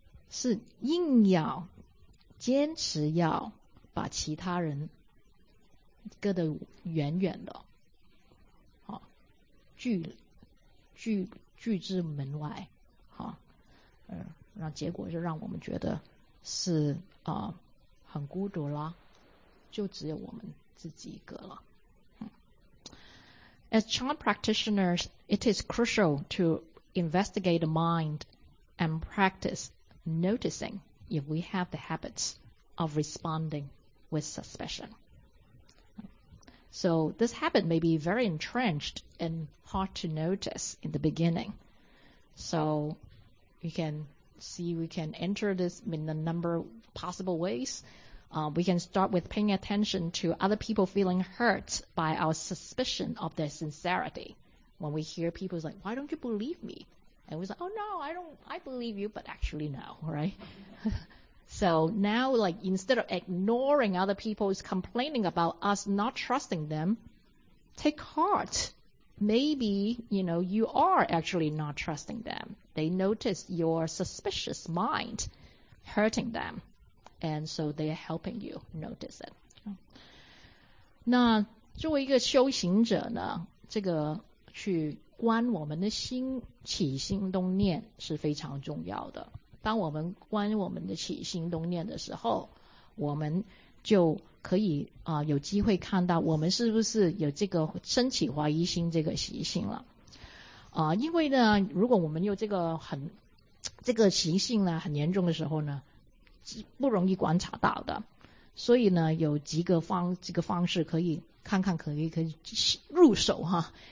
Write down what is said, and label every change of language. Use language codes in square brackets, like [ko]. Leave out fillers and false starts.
[zh] 是硬要坚持要把其他人隔得远远的啊，拒之门外，好、啊，那结果就让我们觉得是啊很孤独啦，就只有我们自己一个了、嗯。 [en] As child practitioners, it is crucial to investigate the mind and practice noticing if we have the habits of responding with suspicion. So this habit may be very entrenched and hard to notice in the beginning. So we can enter this in a number of possible ways. We can start with paying attention to other people feeling hurt by our suspicion of their sincerity. When we hear people like, why don't you believe me? And we say, oh no, I believe you, but actually no, right? So now like instead of ignoring other people's complaining about us not trusting them, take heart. Maybe, you know, you are actually not trusting them. They notice your suspicious mind hurting them. And so they are helping you notice it. [zh] 那作为一个修行者呢，这个去观我们的心，起心动念是非常重要的。当我们观我们的起心动念的时候，我们就可以啊、有机会看到我们是不是有这个升起怀疑心这个习性了啊、因为呢如果我们有这个习性呢很严重的时候呢不容易观察到的，所以呢有几个方式可以看看可以入手哈。